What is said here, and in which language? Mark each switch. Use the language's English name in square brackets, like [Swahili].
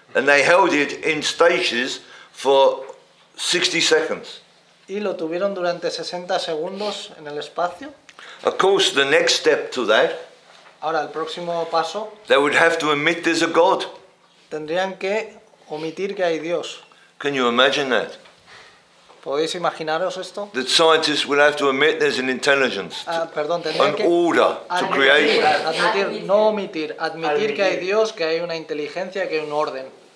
[English] And they held it in stages for 60 seconds. [Spanish] Y lo tuvieron durante 60 segundos en el espacio. [English] Of course, the next step to that. [Spanish] Ahora el próximo paso. [English] They would have to admit there's a God. [Spanish] Tendrían que omitir que hay Dios. [English] Can you imagine that? [Spanish] ¿Podéis imaginaros esto? [English] The scientists will have to admit there's an intelligence. [Spanish] Admitir que hay Dios, que hay una inteligencia, que hay un orden.